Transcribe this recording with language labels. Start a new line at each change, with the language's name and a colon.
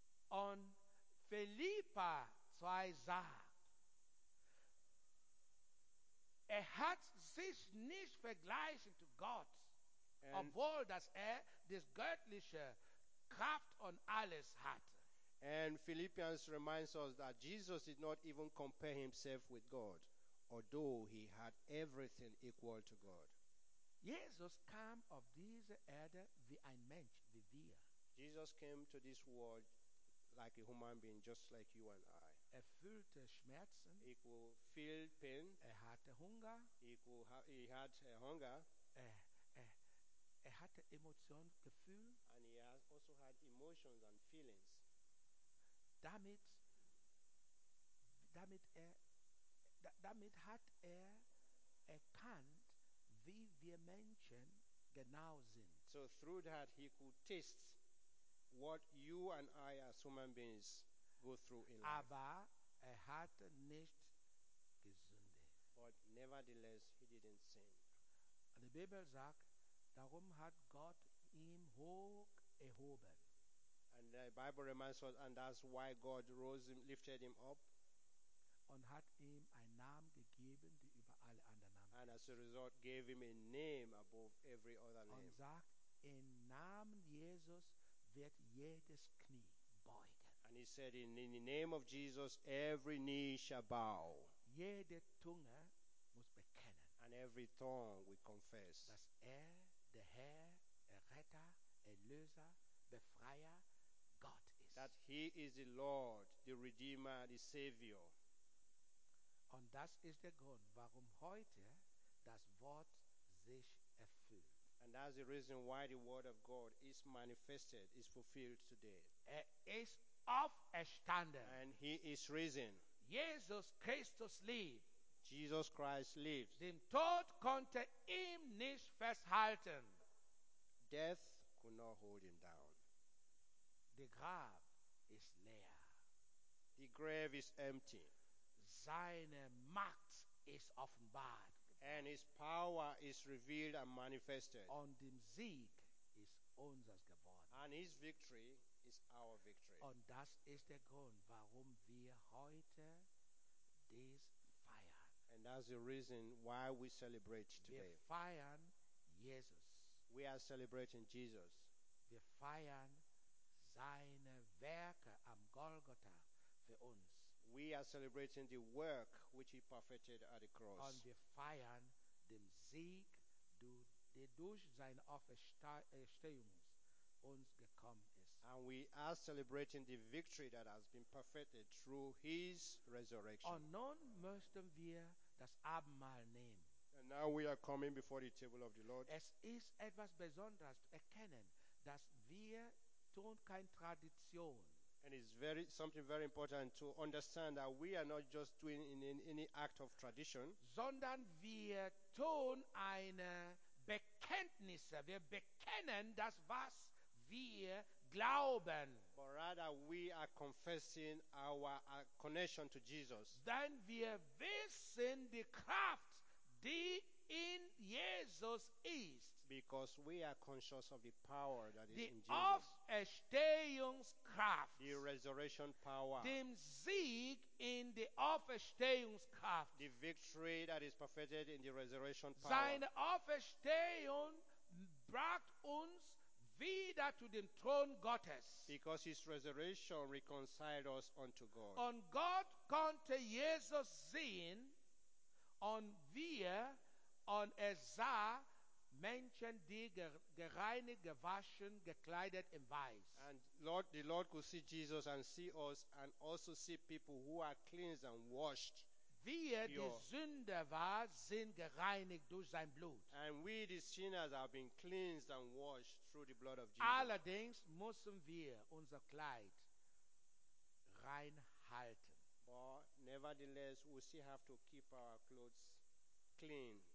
German: Und Philippa 2 sagt, hat sich nicht vergleichen zu Gott, obwohl dass das göttliche Kraft und alles hat.
English: And Philippians reminds us that Jesus did not even compare himself with God, although he had everything equal to God.
German: Jesus kam auf diese Erde wie ein Mensch, wie wir.
English: Jesus came to this world like a human being, just like you and I.
German: Er fühlte Schmerzen.
English: He could feel pain.
German: Er hatte Hunger.
English: He had hunger.
German: Er hatte Emotionen, Gefühl.
English: And he also had emotions and feelings.
German: Damit hat er erkannt, wie wir Menschen genau sind.
English: So through that he could taste what you and I as human beings go through in life.
German: Aber er hatte nicht gesündigt.
English: But nevertheless, he didn't sin.
German: Und die Bibel sagt, darum hat Gott ihn hoch erhoben.
English: Bible reminds us, and that's why God rose him, lifted him up.
German: Und hat ihm einen Namen gegeben, der über alle anderen Namen.
English: And as a result, gave him a name above every other name.
German: Und sagt, im Namen Jesus wird jedes Knie beugen.
English: And he said, in the name of Jesus, every knee shall bow.
German: Jede Zunge muss bekennen.
English: And every tongue will confess.
German: Dass der Herr, Erretter, Erlöser, Befreier, Gott ist.
English: That he is the Lord, the Redeemer, the Savior.
German: Und das ist der Grund, warum heute das Wort sich erfüllt.
English: And that's the reason why the word of God is manifested, is fulfilled today.
German: Er ist auferstanden.
English: And he is risen.
German: Jesus Christus lebt.
English: Jesus Christ lives.
German: Den Tod konnte ihm nicht festhalten.
English: Death could not hold him down.
German: Der Grab ist leer.
English: The grave is empty.
German: Seine Macht ist offenbart.
English: And his power is revealed and manifested.
German: Und dem Sieg ist unseres geworden.
English: And his victory is our victory.
German: Und das ist der Grund, warum wir heute dies feiern.
English: And that's the reason why we celebrate today.
German: Wir feiern Jesus.
English: We are celebrating Jesus.
German: Wir feiern seine Werke am Golgotha für uns.
English: We are celebrating the work which he perfected at the cross.
German: Und wir feiern den Sieg, der durch seine Auferstehung uns gekommen ist.
English: And we are celebrating the victory that has been perfected through his resurrection.
German: Und nun möchten wir das Abendmahl nehmen.
English: And now we are coming before the table of the Lord.
German: Es ist etwas Besonderes zu erkennen, dass wir tun keine Tradition.
English: And it's something very important to understand that we are not just doing in any act of tradition,
German: sondern wir tun eine Bekenntnisse. Wir bekennen das, was wir glauben.
English: But rather, we are confessing our connection to Jesus.
German: Denn wir wissen die Kraft, die in Jesus ist.
English: Because we are conscious of the power that
German: die
English: is in Jesus.
German: Auferstehungskraft.
English: The resurrection power.
German: Dem Sieg in die Auferstehungskraft.
English: The victory that is perfected in the resurrection power.
German: Seine Auferstehung
English: brought
German: uns wieder zu dem Thron Gottes.
English: Because his resurrection reconciled us unto God.
German: Und Gott konnte Jesus sehen und wir und sah Menschen, die gereinigt, gewaschen, gekleidet im Weiß.
English: And Lord, the Lord could see Jesus and see us and also see people who are cleansed and washed.
German: Wir,
English: pure.
German: Die Sünder war, sind gereinigt durch sein Blut.
English: And we, the sinners, have been cleansed and washed through the blood of Jesus.
German: Allerdings müssen wir unser Kleid reinhalten.
English: But nevertheless, we still have to keep our clothes clean.